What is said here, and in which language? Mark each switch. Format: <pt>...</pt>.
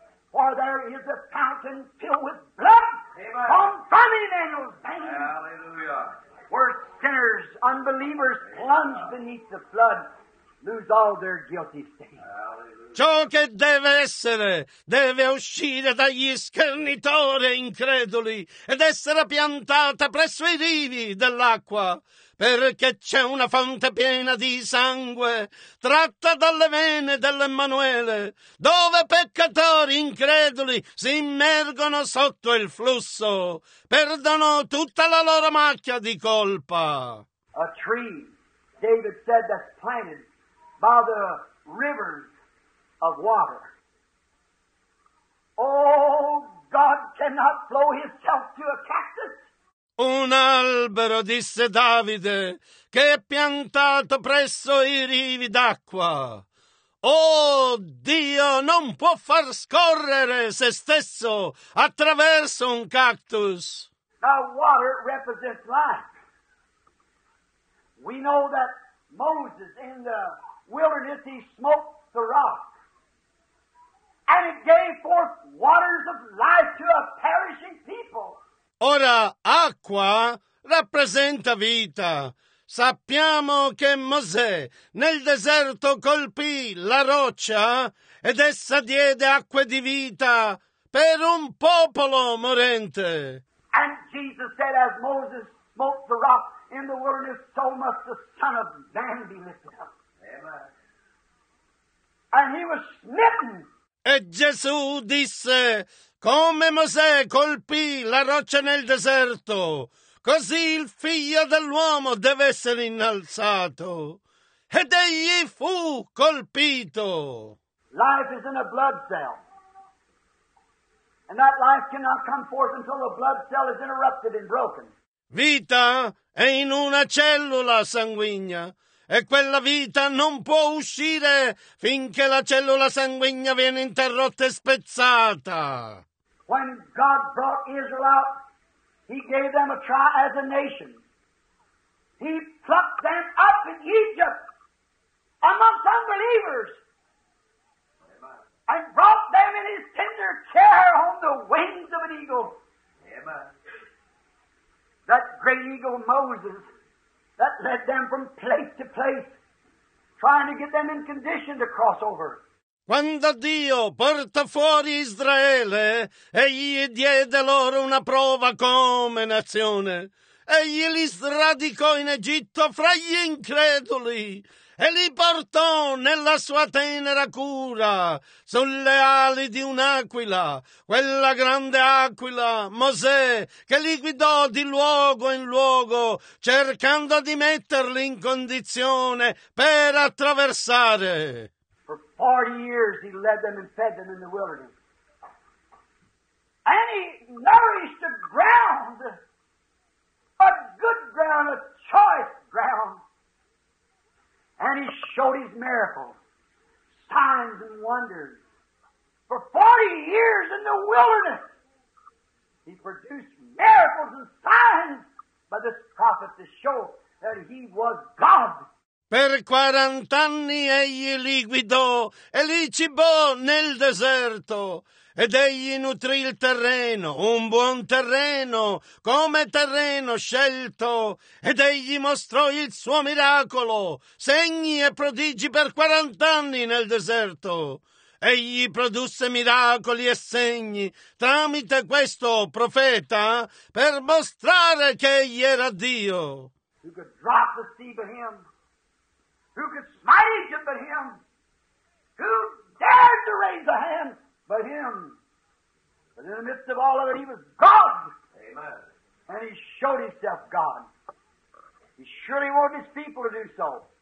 <en>For there is a fountain filled with blood from famine and pain. Hallelujah. Where sinners, unbelievers, plunge beneath the flood, lose all their guilty stains.</en> <it>Ciò che deve essere deve uscire dagli schernitori increduli ed essere piantata presso i rivi dell'acqua, perché c'è una fonte piena di sangue tratta dalle vene dell'Emanuele, dove peccatori increduli si immergono sotto il flusso, perdono tutta la loro macchia di colpa.</it> <en>A tree, David said, that's planted by the rivers of water. Oh, God cannot flow himself to a cactus.</en> <it>Un albero, disse Davide, che è piantato presso i rivi d'acqua. Oh, Dio non può far scorrere se stesso attraverso un cactus.</it> <en>Now, water represents life. We know that Moses in the wilderness, he smoked the rock. And it gave forth waters of life to a perishing people.</en> <it>Ora, acqua rappresenta vita. Sappiamo che Mosè nel deserto colpì la roccia ed essa diede acque di vita per un popolo morente.</it> <en>And Jesus said, as Moses smote the rock in the wilderness, so must the Son of Man be lifted up. And he was smitten.</en> <it>E Gesù disse, come Mosè colpì la roccia nel deserto, così il figlio dell'uomo deve essere innalzato. Ed egli fu colpito.</it> <en>Life is in a blood cell. And that life cannot come forth until the blood cell is interrupted and broken.</en> <it>Vita è in una cellula sanguigna. E quella vita non può uscire finché la cellula sanguigna viene interrotta e spezzata.</it> <en>When God brought Israel out, he gave them a try as a nation. He plucked them up in Egypt amongst unbelievers and brought them in his tender care on the wings of an eagle. Amen. That great eagle Moses that led them from place to place, trying to get them in condition to cross over.</en> <it>Quando Dio porta fuori Israele, egli diede loro una prova come nazione. Egli li sradicò in Egitto fra gli increduli e li portò nella sua tenera cura sulle ali di un'aquila, quella grande aquila, Mosè, che li guidò di luogo in luogo cercando di metterli in condizione per attraversare.</it> <en>For 40 years he led them and fed them in the wilderness. And he nourished the ground, a good ground, a choice ground. And he showed his miracles, signs and wonders. For 40 years in the wilderness, he produced miracles and signs by this prophet to show that he was God.</en> <it>Per 40 anni egli li guidò e li cibò nel deserto. Ed egli nutrì il terreno, un buon terreno, come terreno scelto. Ed egli mostrò il suo miracolo, segni e prodigi per 40 anni nel deserto. Egli produsse miracoli e segni tramite questo profeta per mostrare che egli era Dio.</it> <en>Who could drop the sea but him? Who could smite Egypt but him? Who dared to raise a hand but him? But in the midst of all of it, he was God. Amen. And he showed himself God. He surely wanted his people to do so.</en>